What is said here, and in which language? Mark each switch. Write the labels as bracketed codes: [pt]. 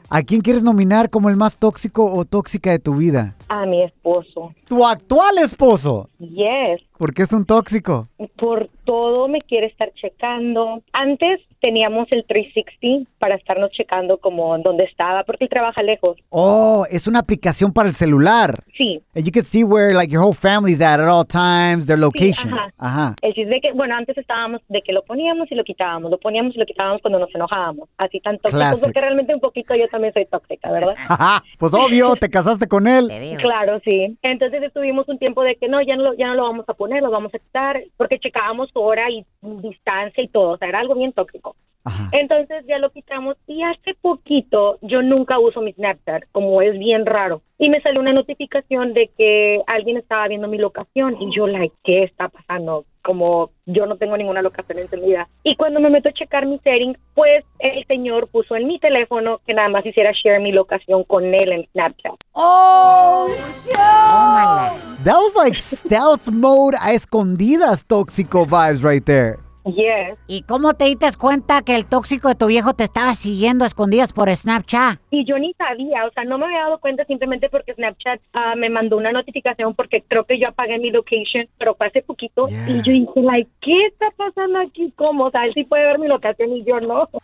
[es] ¿A quién quieres nominar como el más tóxico o tóxica de tu vida? A mi esposo. ¿Tu actual esposo? [en] Yes. [es] ¿Por qué es un tóxico? Por todo me quiere estar checando. Antes teníamos el 360 para estarnos checando como dónde estaba, porque él trabaja lejos. Oh, es una aplicación para el celular. Sí. [en] And you can see where like your whole family's at all times, their location. [es] Sí, ajá. El chiste de que, bueno, antes estábamos de que lo poníamos y lo quitábamos. Lo poníamos y lo quitábamos cuando nos enojábamos. Así tan tóxico. Classic. Porque realmente un poquito yo también soy tóxica, ¿verdad? Pues obvio, te casaste con él. Claro, sí. Entonces estuvimos un tiempo de que no, ya no lo vamos a poner, lo vamos a quitar, porque checábamos hora y distancia y todo, o sea, era algo bien tóxico. Ajá. Entonces ya lo quitamos y hace poquito yo nunca uso mi Snapchat, como es bien raro. Y me salió una notificación de que alguien estaba viendo mi locación y yo, like, ¿qué está pasando? Como yo no tengo ninguna locación encendida. Y cuando me meto a checar mi settings, pues el señor puso en mi teléfono que nada más hiciera share mi locación con él en Snapchat. ¡Oh, yo! [en] That was like stealth mode [es] a escondidas, [en] tóxico vibes right there. Yes. [es] ¿Y cómo te diste cuenta que el tóxico de tu viejo te estaba siguiendo a escondidas por Snapchat? Y yo ni sabía, o sea, no me había dado cuenta simplemente porque Snapchat me mandó una notificación porque creo que yo apagué mi location, pero fue hace poquito. Yeah. Y yo dije, like, ¿qué está pasando aquí? ¿Cómo? O sea, él sí puede ver mi locación y yo no.